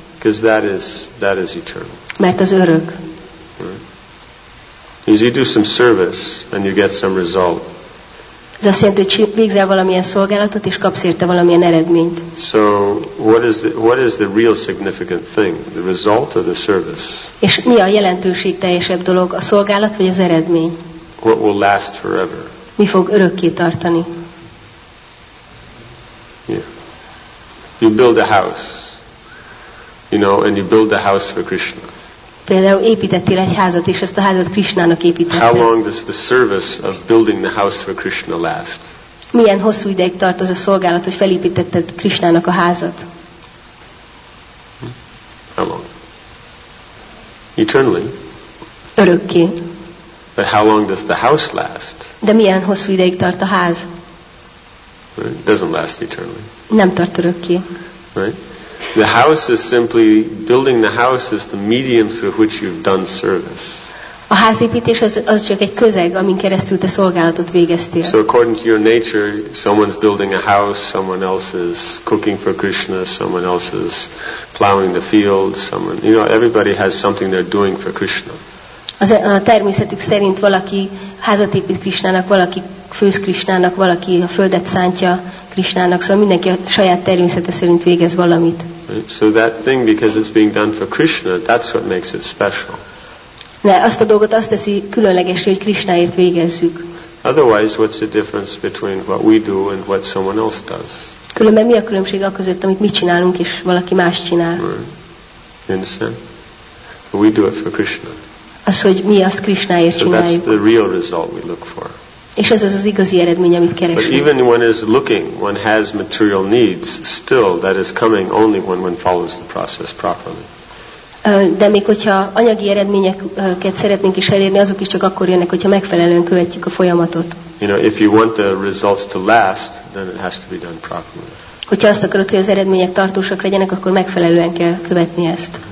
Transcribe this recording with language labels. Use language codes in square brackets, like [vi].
[en] Because that is eternal. [hu] Mert az örök. [en] is you do some service and you get some result. [hu] Ez azt jelenti, hogy végzel valamilyen szolgálatot és kapsz érte valamilyen eredményt. [en] So what is the real significant thing, the result or the service? [hu] És mi a jelentőség teljesebb dolog, a szolgálat vagy az eredmény? [en] What will last forever? [hu] Mi fog örökké tartani? [en] Yeah. You build a house, you know, and you build a house for Krishna. [hu] Például építettél egy házat, és ezt a házat Krishnának építettél. [en] How long does the service of building the house for Krishna last? [hu] Milyen hosszú ideig tart az a szolgálat, hogy felépítetted Krishnának a házat? [en] How long? Eternally. [hu] Örökké. [en] But how long does the house last? [hu] De milyen hosszú ideig tart a ház? [en] It doesn't last eternally. [hu] Nem tart örökké. [en] Right? The house is simply, building the house is the medium through which you've done service. [hu] A házépítés az csak egy közeg, amin keresztül te szolgálatot végeztél. [en] So according to your nature, someone's building a house, someone else is cooking for Krishna, someone else is plowing the field, someone, you know, everybody has something they're doing for Krishna. [hu] A természetük szerint valaki házat épít Krishnának, valaki főz Krishnának, valaki a földet szántja Krishnának, szóval mindenki a saját természete szerint végez valamit. [en] So that thing, because it's being done for Krishna, that's what makes it special. [hu] De azt a dolgot azt teszi különlegesé, hogy Krishnáért végezzük. [en] Otherwise, what's the difference between what we do and what someone else does? [hu] Különben mi a különbség a között, amit mi csinálunk, és valaki más csinál? [en] You understand? We do it for Krishna. [hu] Az, hogy mi azt Krishnáért csináljuk. [en] So that's the real result we look for. [hu] És ez az igazi eredmény, amit keresünk. [en] But even when one is looking, one has material needs, still that is coming only when one follows the process properly. [hu] De még hogyha anyagi eredményeket szeretnénk is elérni, azok is csak akkor jönnek, hogyha megfelelően követjük a folyamatot. [en] You know, if you want the results to last, then it has to be done properly. [hu] Hogyha azt akarod, hogy az eredmények tartósak legyenek, akkor megfelelően kell követni ezt.